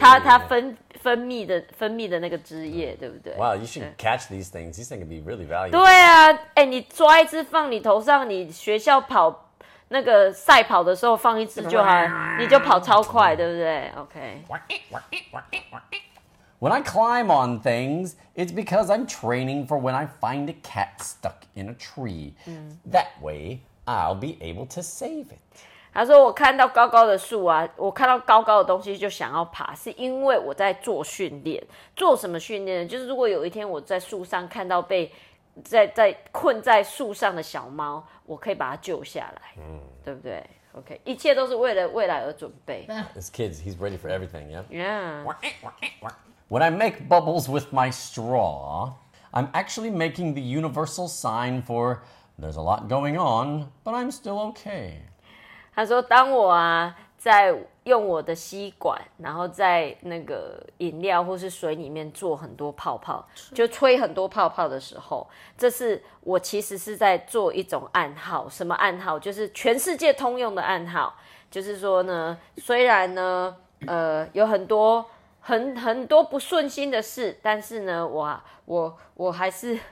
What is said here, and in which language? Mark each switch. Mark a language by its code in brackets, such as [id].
[zh] 它分泌的那个枝叶，对不对 [en] ？Wow, you should catch these things. These things can be really valuable. [zh] 对啊，哎，你抓一只放你头上，你学校跑那个赛跑的时候放一只就还，你就跑超快，对不对 ？OK。 [en] When I climb on things, it's because I'm training for when I find a cat stuck in a tree.、Mm. That way, I'll be able to save it. [zh] 他说我看到高高的树啊，我看到高高的东西就想要爬，是因为我在做训练。做什么训练呢？就是如果有一天我在树上看到被在困在树上的小猫，我可以把它救下来，对不对？ OK， 一切都是为了未来而准备。 [en] This kid, he's ready for everything, yeah? Yeah. When I make bubbles with my straw, I'm actually making the universal sign for there's a lot going on, but I'm still okay. [zh] 他说当我啊在用我的吸管然后在那个饮料或是水里面做很多泡泡就吹很多泡泡的时候这是我其实是在做一种暗号什么暗号就是全世界通用的暗号就是说呢虽然呢有很多不顺心的事，但是呢，我还是